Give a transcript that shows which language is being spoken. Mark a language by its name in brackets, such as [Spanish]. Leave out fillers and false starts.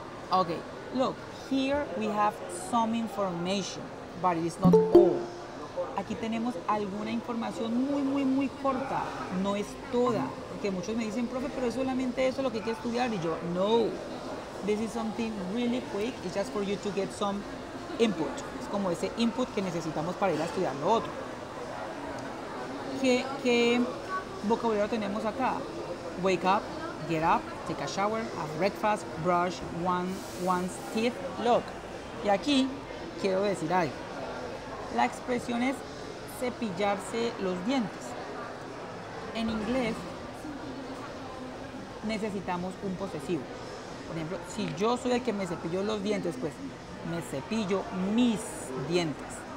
[English] Okay, look, here we have some information, but it is not all. [Spanish] Aquí tenemos alguna información muy, muy, muy corta. No es toda. Porque muchos me dicen, profe, pero es solamente eso lo que hay que estudiar. Y yo, no. [English] This is something really quick. It's just for you to get some input. [Spanish] Es como ese input que necesitamos para ir a estudiar lo otro. ¿Qué vocabulario tenemos acá? [English] Wake up, get up, take a shower, have breakfast, brush one's teeth. Look. [Spanish] Y aquí quiero decir algo. La expresión es cepillarse los dientes. En inglés necesitamos un posesivo. Por ejemplo, si yo soy el que me cepillo los dientes, pues me cepillo mis dientes.